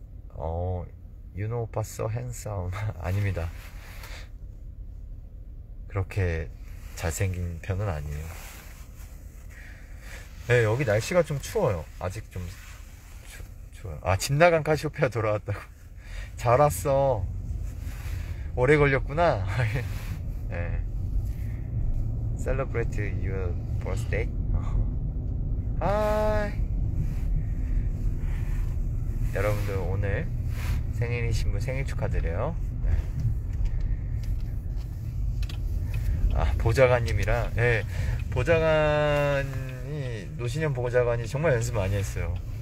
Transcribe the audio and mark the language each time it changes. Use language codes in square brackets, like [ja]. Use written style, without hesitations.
[en] 어, you know, 오빠 so handsome. [ko] 아닙니다. 그렇게 잘생긴 편은 아니에요. 네, 여기 날씨가 좀 추워요. 아직 좀 추워요. 아, 집 나간 카시오페아 돌아왔다고. 잘 왔어. 오래 걸렸구나. 예. 네. [en] Celebrate your birthday. Hi. [ko] 여러분들 오늘 생일이신 분 생일 축하드려요. 네. 보좌관님이랑, 예, 보좌관이, 노신현 보좌관이 정말 연습 많이 했어요.